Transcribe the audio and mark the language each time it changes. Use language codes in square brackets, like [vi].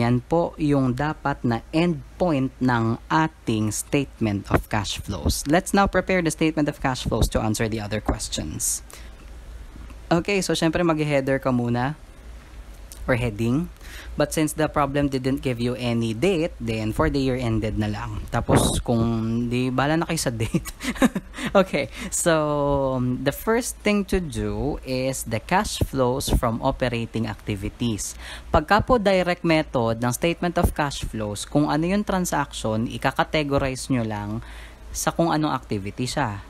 [tl] Yan po yung dapat na end point ng ating statement of cash flows. [en] Let's now prepare the statement of cash flows to answer the other questions. [tl] Okay, so syempre mag-header ka muna or heading. [en] But since the problem didn't give you any date, then for the year ended na lang. [tl] Tapos kung di, bahala na kayo sa date. [en] Okay, so the first thing to do is the cash flows from operating activities. [tl] Pagka po direct method ng statement of cash flows, kung ano yung transaction, ikakategorize nyo lang sa kung anong activity siya.